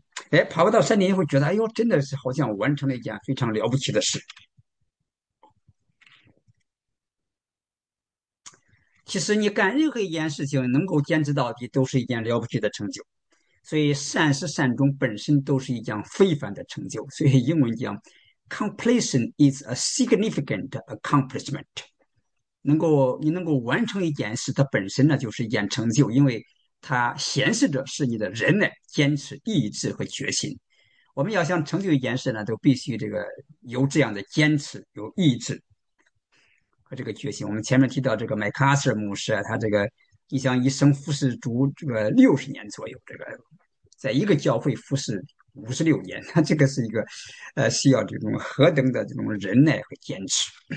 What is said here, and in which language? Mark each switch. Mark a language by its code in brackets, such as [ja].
[zh] 哎，爬不到山顶以后，觉得哎呦，真的是好像完成了一件非常了不起的事。其实你干任何一件事情，能够坚持到底，都是一件了不起的成就。所以善始善终本身都是一件非凡的成就。所以英文讲， [en] completion is a significant accomplishment。 [zh] 你能够完成一件事，它本身呢就是一件成就，因为它显示着是你的忍耐、坚持、意志和决心。我们要想成就一件事呢，都必须这个有这样的坚持、有意志和这个决心。我们前面提到这个麦克阿瑟牧师啊，他这个一想一生服侍主这个60年左右，这个在一个教会服侍56年，他这个是一个需要这种何等的这种忍耐和坚持。